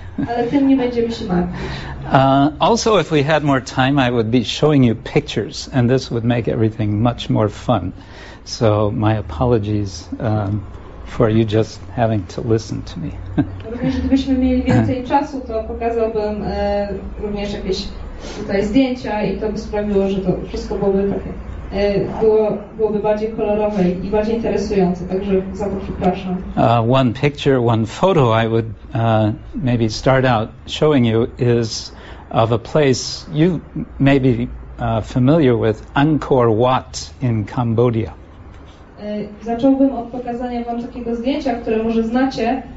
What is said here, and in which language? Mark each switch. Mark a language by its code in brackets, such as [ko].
[pl] Ale tym nie będziemy się martwić. [en] Also, if we had more time, I would be showing you pictures, and this would make everything much more fun. So my apologies for you just having to listen to me. [pl] Również gdybyśmy mieli więcej czasu, to pokazałbym również jakieś tutaj zdjęcia i to by sprawiło, że to wszystko byłoby takie, byłoby bardziej kolorowe i bardziej interesujące. Także za to przepraszam. [en] One picture, one photo I would maybe start out showing you is of a place you may be familiar with, Angkor Wat in Cambodia. [pl] Zacząłbym od pokazania wam takiego zdjęcia, które może znacie.